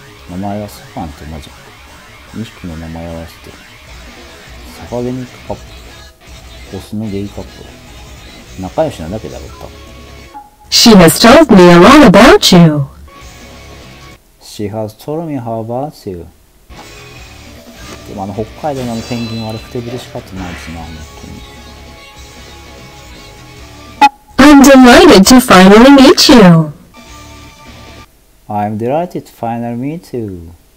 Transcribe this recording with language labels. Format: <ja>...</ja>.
<ja>名前はスファンとマジック。2匹の名前を合わせてサファデミックカップル。オスのゲイカップル。仲良しなだけだろった。</ja> <en>She has told me a lot about you. She has told me how about you.</en> <ja>でもあの北海道のペンギンはあれふてぶてしかったなんですな、ほんとに。</ja> <en>I'm delighted to finally meet you. I'm delighted to finally meet you.</en>